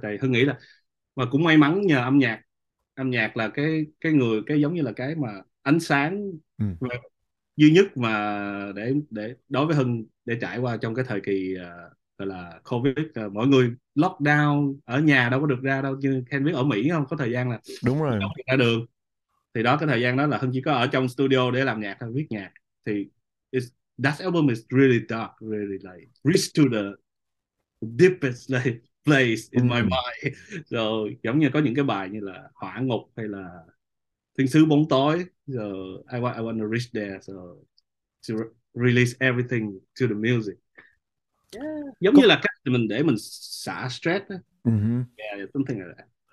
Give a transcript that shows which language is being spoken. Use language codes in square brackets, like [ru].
[vi] Tại Hưng nghĩ là, và cũng may mắn nhờ âm nhạc là cái giống như là cái mà ánh sáng duy nhất mà để đối với Hưng để trải qua trong cái thời kỳ gọi là COVID, mọi người lockdown ở nhà đâu có được ra đâu, như Ken biết ở Mỹ không có thời gian là Đúng đâu rồi. được ra đường. Thì đó, cái thời gian đó là Hưng chỉ có ở trong studio để làm nhạc thôi, viết nhạc. [en] Thì that album is really dark, really like reach to the deepest place in my mind. [vi] Rồi giống như có những cái bài như là Hỏa Ngục hay là Thiên Sứ Bóng Tối, rồi [en] I want to reach there, so to release everything to the music. [vi] Giống như là cách mình để mình xả stress đó. [en] Something like